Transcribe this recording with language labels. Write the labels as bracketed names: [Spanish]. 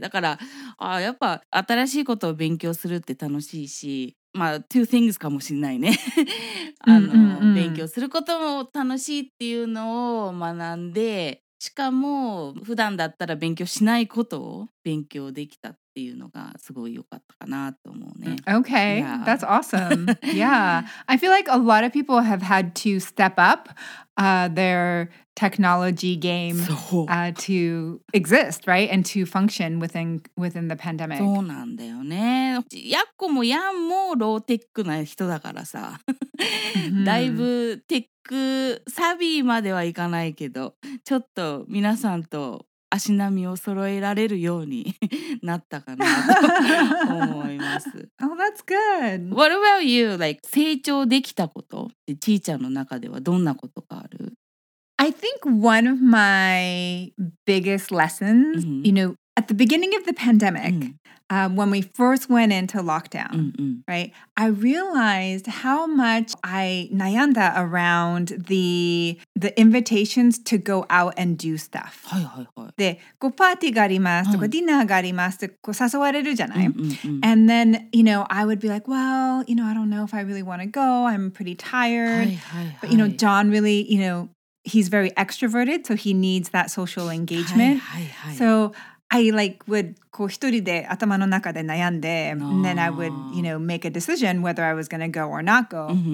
[Japanese] だからあやっぱ新しいことを勉強するって楽しいし、まあ、 [English] two things [Japanese] かもしれないね。勉強することも楽しいっていうのを学んで、しかも普段だったら勉強しないことを勉強できたっていうのがすごい良かったかなと思うね。 [English] Okay, yeah. That's awesome. Yeah, I feel like a lot of people have had to step up their technology game to exist, right? And to function within the pandemic. [Japanese] そうなんだよね。やっこもやんもローテックな人だからさ。だいぶテックサビまではいかないけど、ちょっと皆さんと足並みを揃えられるようになったかなと思います。 [English] Oh, that's good. What about you? [Japanese] Like, 成長できたことってちーちゃんの中ではどんなことがある？ [English] I think one of my biggest lessons, you know, at the beginning of the pandemic, when we first went into lockdown, right, I realized how much I [Japanese] nayanda [English] around the invitations to go out and do stuff. [Japanese] で、こうパーティーがありますとか、ディナーがありますってこう誘われるじゃない? [English] And then, you know, I would be like, well, you know, I don't know if I really want to go. I'm pretty tired. But, you know, John really, you know, he's very extroverted, so he needs that social engagement. So,I like would [Japanese] こう一人で頭の中で悩んで、 [English] and then I would, you know, make a decision whether I was going to go or not go.